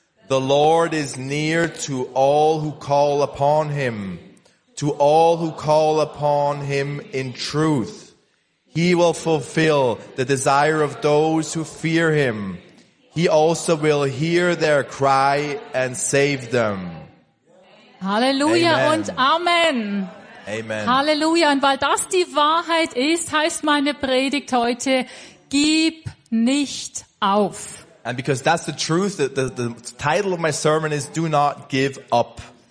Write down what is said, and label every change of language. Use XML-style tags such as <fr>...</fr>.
<en>The Lord is near to all who call upon him. To all who call upon him in truth, he will fulfill the desire of those who fear him. He also will hear their cry and save them.</en> <de>Halleluja und Amen. Amen. Halleluja. Und weil das die Wahrheit ist, heißt meine Predigt heute, gib nicht auf.</de> <en>And because that's the truth, the title of my sermon is Do Not Give Up.</en>